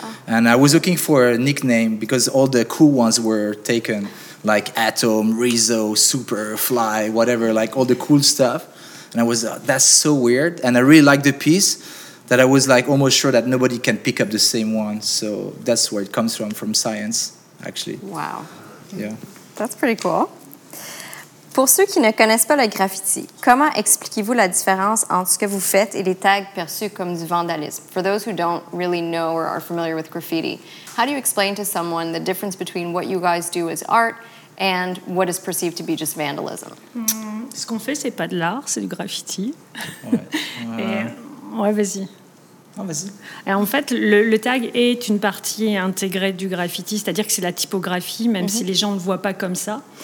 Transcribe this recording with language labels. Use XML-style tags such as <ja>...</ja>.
<en>And I was looking for a nickname because all the cool ones were taken, like Atom, Rizzo, Super, Fly, whatever, like all the cool stuff. And I was, that's so weird. And I really liked the piece that I was like almost sure that nobody can pick up the same one. So that's where it comes from science. actually. Wow. Yeah. That's pretty cool.</en> <fr>Pour ceux qui ne connaissent pas le graffiti, comment expliquez-vous la différence entre ce que vous faites et les tags perçus comme du vandalisme?</fr> <en>For those who don't really know or are familiar with graffiti, how do you explain to someone the difference between what you guys do as art and what is perceived to be just vandalism?</en> <fr>Ce qu'on fait, c'est pas de l'art, c'est du graffiti. Ouais. Ouais, vas-y. Vas-y. Et en fait, le tag est une partie intégrée du graffiti, c'est-à-dire que c'est la typographie, même si les gens ne le voient pas comme ça.</fr>